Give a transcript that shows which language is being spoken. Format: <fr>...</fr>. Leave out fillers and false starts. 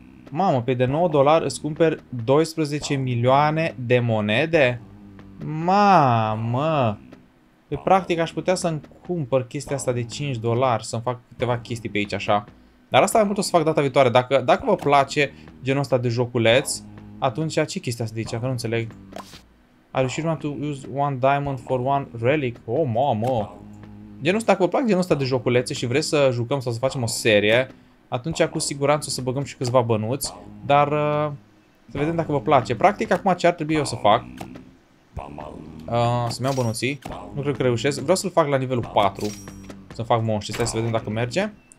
<ro>Mamă, pe de 9 dolari îți cumperi 12 milioane de monede? Mamă! Păi, practic, aș putea să-mi cumpăr chestia asta de 5 dolari, să-mi fac câteva chestii pe aici, așa. Dar asta mai mult o să fac data viitoare. Dacă vă place genul ăsta de joculeț, atunci, ce chestia asta de aici? Că nu înțeleg.</ro> <en>Are you sure to use one diamond for one relic?</en> <ro>Oh, mamă! Genul ăsta, dacă vă plac genul ăsta de joculețe și vreți să jucăm sau să facem o serie, atunci, cu siguranță, o să băgăm și câțiva bănuți. Dar, să vedem dacă vă place. Practic, acum, ce ar trebui eu să fac? Să-mi iau bănuții. Nu cred că reușesc. Vreau să-l fac la nivelul 4. Să-mi fac monștri. Stai să vedem dacă merge.</ro>